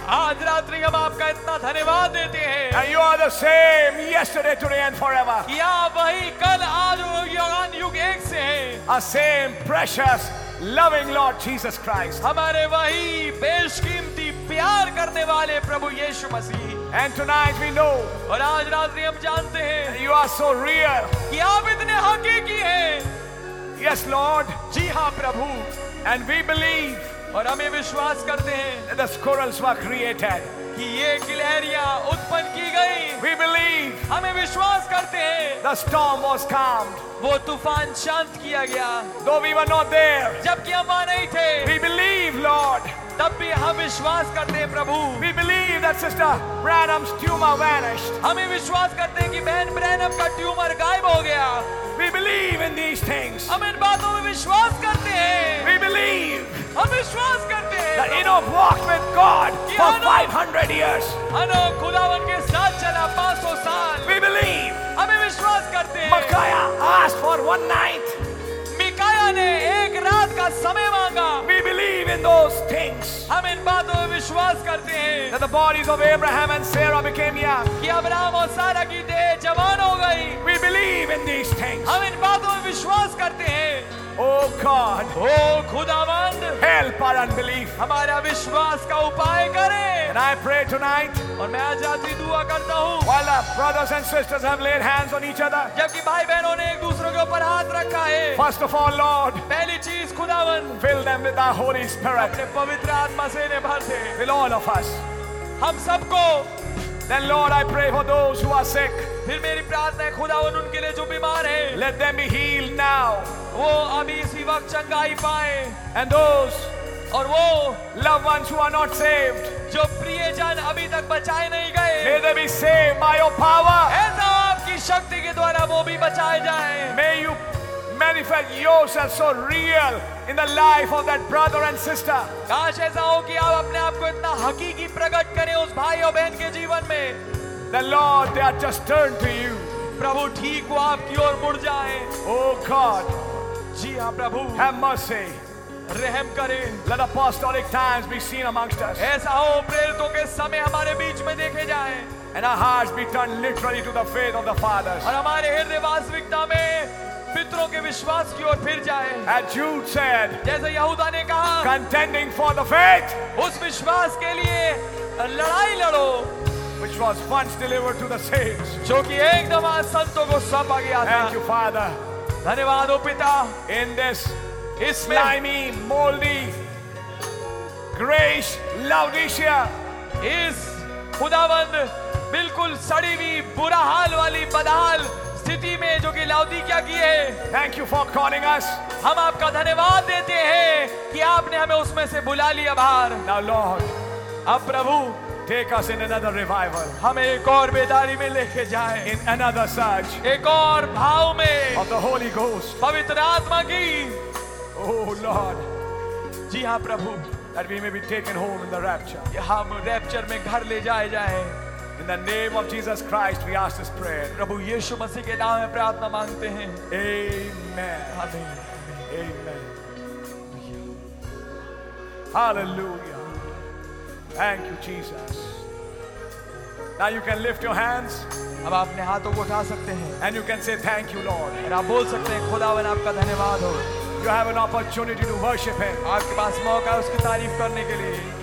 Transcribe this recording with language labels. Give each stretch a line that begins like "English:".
Hindi: आज रात्रि हम आपका इतना धन्यवाद देते हैं.
English: And you are the same yesterday, today, and forever.
Hindi: या वही कल, आज और युगान युग एक से हैं.
English: A same precious, loving Lord Jesus Christ.
Hindi: हमारे वही बेशकीमती प्यार करने वाले प्रभु यीशु मसीह.
English: And tonight we know.
Hindi: और आज रात्रि हम जानते हैं.
English: You are so real.
Hindi: कि आप इतने हकीकी हैं.
English: Yes, Lord.
Hindi: जी हाँ प्रभु.
English: And we believe.
Hindi: और हमें विश्वास करते हैं.
English: That the squirrels were created.
Hindi: कि ये गिलहरियाँ उत्पन्न की गई.
English: We believe.
Hindi: हमें विश्वास करते हैं.
English: The storm was calmed.
Hindi: वो तूफान शांत किया गया.
English: Though we were not there.
Hindi: जबकि हम वहाँ नहीं थे.
English: We believe, Lord.
Hindi: तब भी हम विश्वास करते हैं प्रभु.
English: We believe that Sister Branham's tumor vanished.
Hindi: हमें विश्वास करते हैं कि बहन ब्रैनम का ट्यूमर गायब हो गया.
English: We believe in these things.
Hindi: हम इन बातों में विश्वास करते हैं.
English: We believe.
Hindi: हम विश्वास करते हैं.
English: That Enoch walked with God for 500 years.
Hindi: Anouk खुदावन के साथ चला 500 साल.
English: We believe.
Hindi: हमें विश्वास करते हैं.
English: Mikaya asked for one night.
Hindi: मिकाया ने एक रात का समय मांगा.
English: We believe in those things.
Hindi: हम इन बातों में विश्वास करते हैं.
English: That the bodies of Abraham and Sarah became young.
Hindi: कि अब्राहम और सारा की देह जवान हो गई.
English: We believe in these things.
Hindi: हम इन बातों में विश्वास करते हैं.
English: Oh God.
Hindi: Oh खुदावंद.
English: Help our unbelief.
Hindi: हमारा विश्वास का उपाय करें.
English: And I pray tonight.
Hindi: और मैं आज रात दुआ करता हूँ.
English: While our brothers and sisters have laid hands on each other.
Hindi: जबकि भाई बहनों ने एक दूसरों के ऊपर हाथ रखा है.
English: First of all, Lord.
Hindi: पहली चीज खुदावंद.
English: Fill them with our Holy Spirit.
Hindi: अपने पवित्र आत्मा से इन्हें भर दे.
English: Fill all of us.
Hindi: हम सबको.
English: Then Lord, I pray for those who are sick.
Hindi: फिर मेरी प्रार्थना है खुदावंद उनके लिए जो बीमार है.
English: Let them be healed now.
Hindi: वो अभी इसी वक्त चंगाई पाए.
English: And those.
Hindi: और वो.
English: Loved ones who are not saved.
Hindi: जो प्रियजन अभी तक बचाए नहीं गए.
English: May they be saved by your power.
Hindi: ऐसा आपकी शक्ति के द्वारा वो भी बचाए जाए.
English: May you manifest yourself so real in the life of that brother and sister.
Hindi: काश ऐसा हो कि आप अपने आप को इतना हकीकी प्रकट करें उस भाई और बहन के जीवन में.
English: The Lord, they are just turned to you.
Hindi: प्रभु ठीक हो आपकी ओर मुड़ जाएं.
English: Oh God.
Hindi: जी हाँ प्रभु.
English: Have mercy.
Hindi: रहम करें.
English: Let apostolic times be seen amongst us.
Hindi: ऐसा हो प्रेरितों के समय हमारे बीच में देखे जाएं.
English: And our hearts be turned literally to the faith of the fathers.
Hindi: और हमारे हृदय वास्तविकता में पितरों के विश्वास की ओर फिर जाए.
English: As Jude said,
Hindi: जैसे यहूदा ने कहा,
English: contending for the faith,
Hindi: उस विश्वास के लिए लड़ाई लड़ो,
English: which was once delivered to the saints,
Hindi: जो कि एकदम संतों को सौंपा गया था.
English: Thank you, Father.
Hindi: धन्यवाद ओ पिता.
English: In this,
Hindi: इस
English: slimy, moldy, grayish, Laodicea,
Hindi: इस खुदावंद बिल्कुल सड़ी हुई बुरा हाल वाली बदहाल स्थिति में जो कि लाउदी क्या की है.
English: Thank you for calling us.
Hindi: हम आपका धन्यवाद देते हैं कि आपने हमें उसमें से बुला लिया बाहर.
English: now lord,
Hindi: अब प्रभु,
English: Take us in another revival.
Hindi: हमें एक और बेदारी में लेके जाए.
English: in another surge,
Hindi: एक और भाव में.
English: of the holy ghost,
Hindi: पवित्र आत्मा की.
English: oh lord,
Hindi: जी हाँ प्रभु.
English: That we may be taken home in the rapture.
Hindi: हम रैप्चर में घर ले जाए जाए.
English: In the name of Jesus Christ, we ask this prayer.
Hindi: प्रभु यीशु मसीह के नाम में प्रार्थना मांगते हैं.
English: Amen. Amen. Amen. Hallelujah. Thank you, Jesus. Now you can lift your hands.
Hindi: अब अपने हाथों को उठा सकते हैं.
English: And you can say thank you, Lord.
Hindi: और आप बोल सकते हैं खुदावन आपका धन्यवाद हो.
English: You have an opportunity to worship Him.
Hindi: आपके पास मौका है उसकी तारीफ करने के लिए.